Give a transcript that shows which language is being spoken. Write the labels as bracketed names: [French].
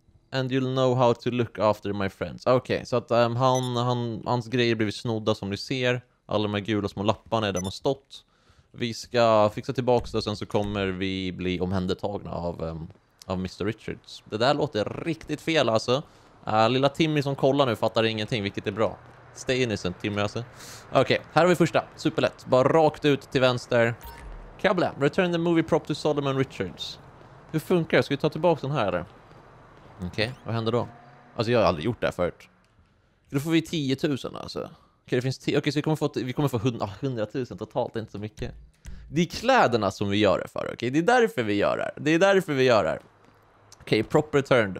[English] And you'll know how to look after my friends. [Swedish] Okay, så att hans grejer blivit snodda som ni ser. Alla de här gula små lapparna är där de har stått. Vi ska fixa tillbaka det och sen så kommer vi bli omhändertagna av Mr. Richards. Det där låter riktigt fel alltså. Lilla Timmy som kollar nu fattar ingenting, vilket är bra. [English] Stay innocent, [Swedish] Timmy alltså. Okej, här har vi första. Superlätt. Bara rakt ut till vänster. [English] Kabla, return the movie prop to Solomon Richards. [Swedish] Hur funkar det? Ska vi ta tillbaka den här eller? Okej, vad händer då? Alltså jag har aldrig gjort det här förut. Då får vi 10 000 alltså. Okej, det finns 10. Okej, så vi kommer få 100 000 totalt. Det är inte så mycket. Det är kläderna som vi gör det för, okej? Det är därför vi gör det här. Okej, [English] prop returned.